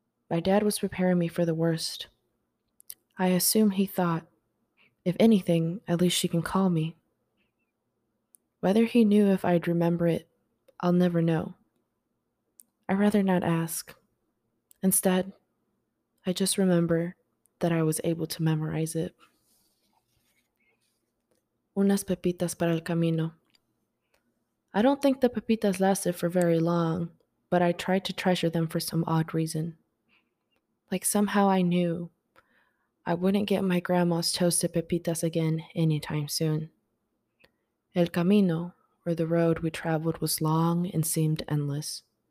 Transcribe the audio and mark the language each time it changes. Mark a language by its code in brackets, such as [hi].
[en] My dad was preparing me for the worst. I assume he thought, if anything, at least she can call me. Whether he knew if I'd remember it, I'll never know. I'd rather not ask. Instead, I just remember that I was able to memorize it. [es] Unas pepitas para el camino. [en] I don't think the pepitas lasted for very long, but I tried to treasure them for some odd reason. Like somehow I knew I wouldn't get my grandma's toasted pepitas again anytime soon. [es] El camino, [en] or the road we traveled, was long and seemed endless.